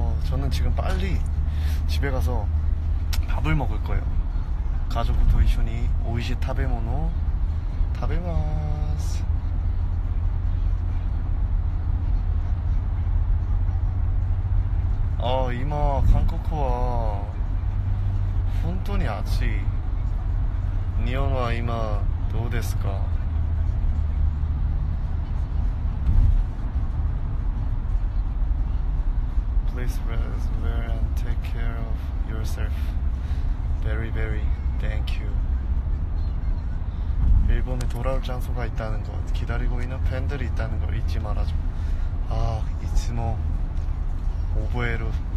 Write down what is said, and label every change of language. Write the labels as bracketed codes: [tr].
[ko] 저는 지금 빨리 집에 가서 밥을 먹을 거예요. [ja] 家族と一緒に美味しい食べ物を食べます。あ、今韓国は本当に暑い。日本は今どうですか？ [en] Please rest well and take care of yourself. Very, very, thank you. [ko] 일본에 돌아올 장소가 있다는 거, 기다리고 있는 팬들이 있다는 걸 잊지 말아줘. [ja] 아, 이츠모 오보에루.